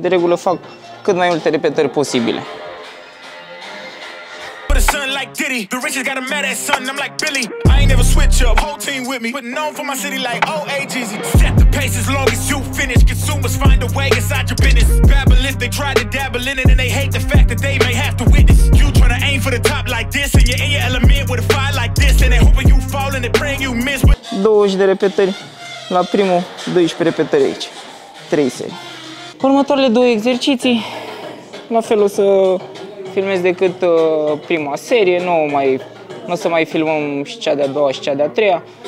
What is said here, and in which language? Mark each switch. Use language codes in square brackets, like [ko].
[ro] De regulă fac cât mai multe repetări posibile. [en] Diddy. The rich got a mad ass son, I'm like Billy. I ain't never switch up, whole team with me. Putting on for my city like OAGZ. Set the pace as long as you finish. Consumers find a way inside your business. Babble if they try to dabble in it and they hate the fact that they may have to witness. You trying to aim for the top like this and you're in your element with a fire like this. And they hoping you fall and they praying you miss. [ro] 20 de repetări la primul, 12 repetări aici. 3 serii. Următoarele două exerciții, la fel o să filmez decât prima serie, nu o să mai filmăm și cea de-a doua și cea de-a treia.